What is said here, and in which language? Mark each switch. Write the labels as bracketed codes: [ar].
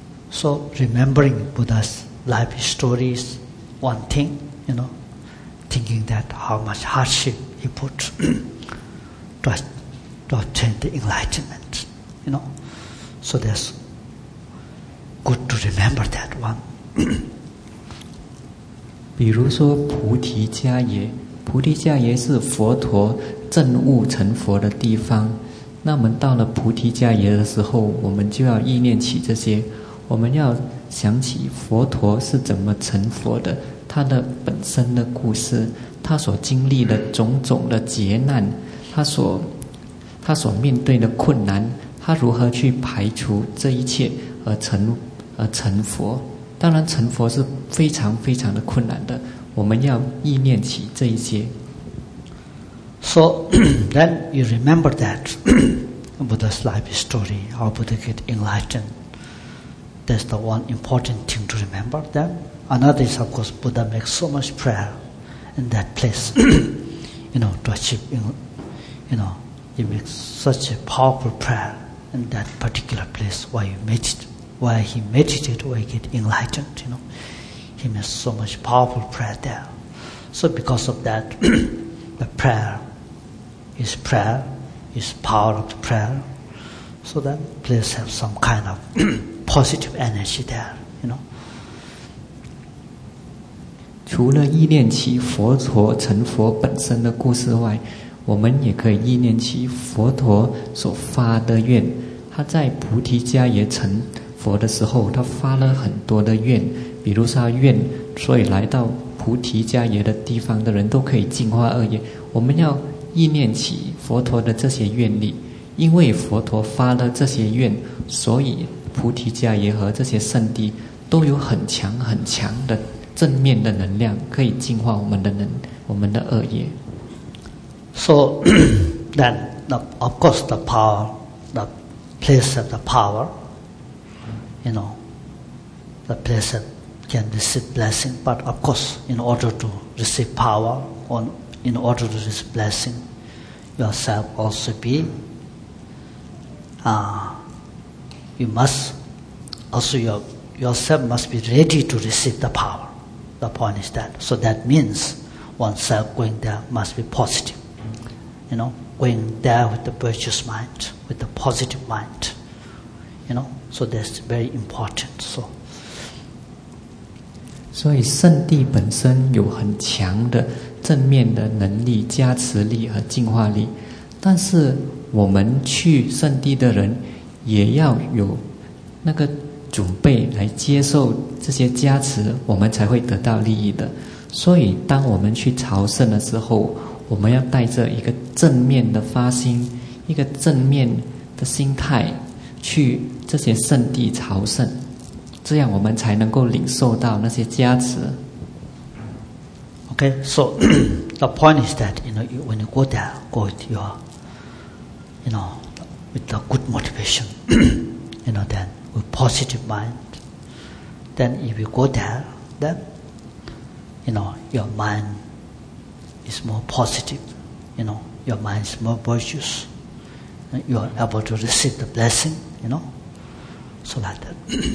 [en] So remembering Buddha's life story is one thing, you know, thinking that how much hardship he put to attain the enlightenment, you know. So there's good to remember that one, [zh] 比如说菩提迦耶，菩提迦耶是佛陀证悟成佛的地方，那我们到了菩提迦耶的时候，我们就要意念起这些，我们要想起佛陀是怎么成佛的，他的本身的故事，他所经历的种种的劫难，他所面对的困难，他如何去排除这一切而成佛。当然成佛是非常非常的困难的，我们要意念起这一些。 [en] So then you remember that Buddha's life story, how Buddha get enlightened. That's the one important thing to remember them. Another is, of course, Buddha makes so much prayer in that place, you know, to achieve, you know, he makes such a powerful prayer in that particular place while he meditated, while he get enlightened, you know. He makes so much powerful prayer there. So because of that, the prayer, his prayer, his power of the prayer, so that place has some kind of positive energy there, you know. [zh] 除了意念起佛陀成佛本身的故事外，我们也可以意念起佛陀所发的愿。他在菩提迦耶成佛的时候，他发了很多的愿，比如说愿所以来到菩提迦耶的地方的人都可以净化恶业。我们要意念起佛陀的这些愿力，因为佛陀发了这些愿，所以菩提迦耶和这些圣地都有很强很强的正面的能量，可以净化我们的恶业。 [en] So then, of course, the power, the place of the power, you know, the place that can receive blessing. But of course, in order to receive power, or in order to receive blessing, yourself also be. You must also yourself must be ready to receive the power. The point is that. So that means oneself going there must be positive. You know, going there with the virtuous mind, with the positive mind. You know, so that's very important. So, [zh] 所以圣地本身有很强的正面的能力、加持力和净化力，但是我们去圣地的人也要有那个准备来接受这些加持，我们才会得到利益的。所以当我们去朝圣的时候，我们要带着一个正面的发心，一个正面的心态去这些圣地朝圣，这样我们才能够领受到那些加持。 [en] OK, so the point is that, you know, when you go there, go with your, you know, with the good motivation, you know, then with positive mindThen if you go there, then, you know, your mind is more positive, you know, your mind is more virtuous, you are able to receive the blessing, you know, so like that.